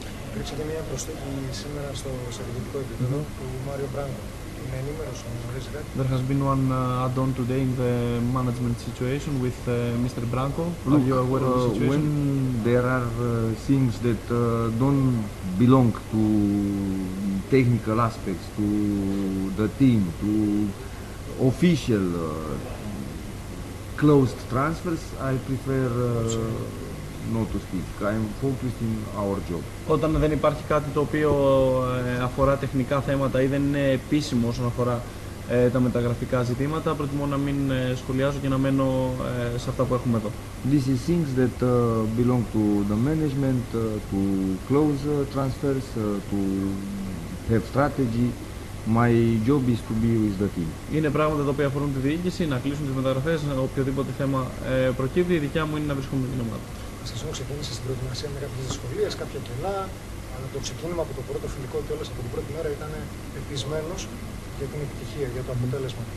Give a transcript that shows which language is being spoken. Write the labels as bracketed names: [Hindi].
[Greek] Υπήρξε και μια προσθήκη σήμερα στο στρατηγικό επίπεδο του Μάριο Μπράγκο. Είναι ενήμερος ο Μωρίς Ρέτ. [English] There has been one add-on today in the management situation with Mr. Μπράγκο. Are you aware of the situation? When there are things that don't belong to technical aspects, to the team, to official closed transfers, I prefer not to speak. I'm focused in our job. [Greek] Όταν δεν υπάρχει κάτι το οποίο αφορά τεχνικά θέματα ή δεν είναι επίσημο όσον αφορά τα μεταγραφικά ζητήματα, προτιμώ να μην σχολιάζω και να μένω σε αυτά που έχουμε εδώ. [English] This is things that belong to the management, to close transfers, to have strategy. My job is to be with the team. [Greek] Είναι πράγματα τα οποία αφορούν τη διοίκηση, να κλείσουν τις μεταγραφές, οποιοδήποτε θέμα προκύπτει. Η δικιά μου είναι να βρίσκομαι με την ομάδα. Σεζόν ξεκίνησε στην προετοιμασία με κάποιες δυσκολίες, κάποια κενά, αλλά το ξεκίνημα από το πρώτο φιλικό και όλες από την πρώτη μέρα ήταν πεπισμένος για την επιτυχία, για το αποτέλεσμα.